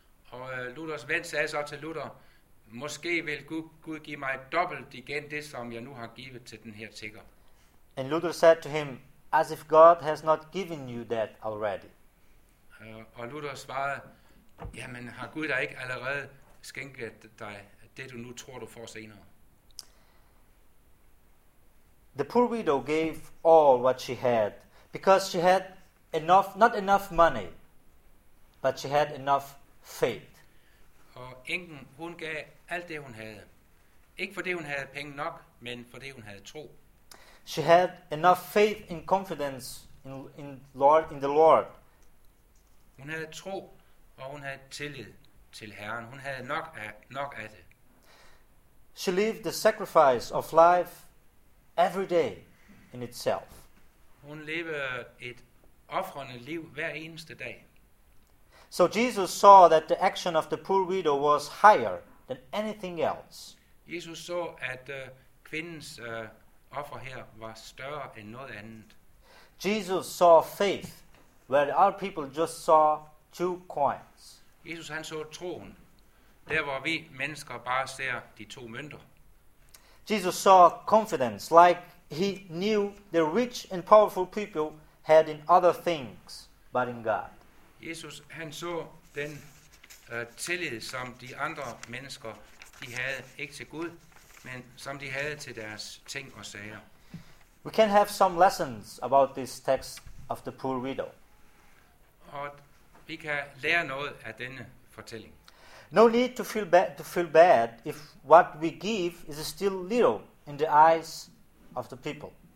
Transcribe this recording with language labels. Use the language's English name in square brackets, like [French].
[Danish] Og Luthers ven sagde så til Luther, måske vil Gud give mig dobbelt igen det, som jeg nu har givet til den her tigger. [English] And Luther said to him, as if God has not given you that already. [Danish] Og Luther svarede, jamen har Gud da ikke allerede skænket dig det, du nu tror, du får senere? [English] The poor widow gave all what she had, because she had enough, not enough money, but she had enough faith. [Danish] Og enken, hun gav alt det, hun havde. Ikke fordi hun havde penge nok, men fordi hun havde tro. [English] She had enough faith and confidence in the Lord. [Danish] Hun havde tro, og hun havde tillid til Herren. Hun havde nok af det. [English] She lived the sacrifice of life every day in itself. [Danish] Hun levede et ofrende liv hver eneste dag. [English] So Jesus saw that the action of the poor widow was higher than anything else. [Danish] Jesus så, at kvindens offer her var større end noget andet. [English] Jesus saw faith where the other people just saw two coins. [Danish] Jesus han så troen, der hvor vi mennesker bare ser de to mønter. [English] Jesus saw confidence like he knew the rich and powerful people had in other things but in God. [Danish] Jesus han så den tillid som de andre mennesker de havde ikke til Gud, men som de havde til deres ting og sager. [English] We can have some lessons about this text of the poor widow. [Danish] Og vi kan lære noget af denne fortælling. [English] No need to feel bad if what we give is still little in the eyes of the people.